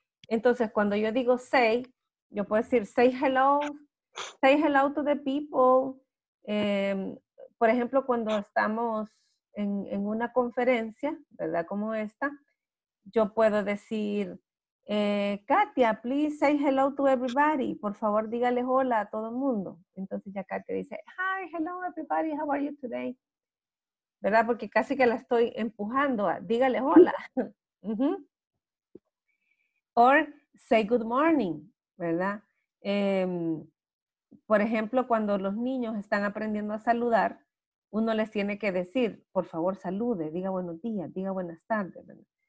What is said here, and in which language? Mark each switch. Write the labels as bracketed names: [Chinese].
[Spanish] Entonces, cuando yo digo say, yo puedo decir [English] say hello to the people. [Spanish] Por ejemplo, cuando estamos en una conferencia, ¿verdad? Como esta, yo puedo decir, Katia, [English] please say hello to everybody. [Spanish] Por favor, dígale hola a todo el mundo. Entonces ya Katia dice, [English] hi, hello everybody, how are you today? [Spanish] ¿Verdad? Porque casi que la estoy empujando a, dígale hola. [English] Or say good morning, [Spanish] ¿verdad? Por ejemplo, cuando los niños están aprendiendo a saludar, uno les tiene que decir, por favor, salude, diga buenos días, diga buenas tardes, ¿verdad?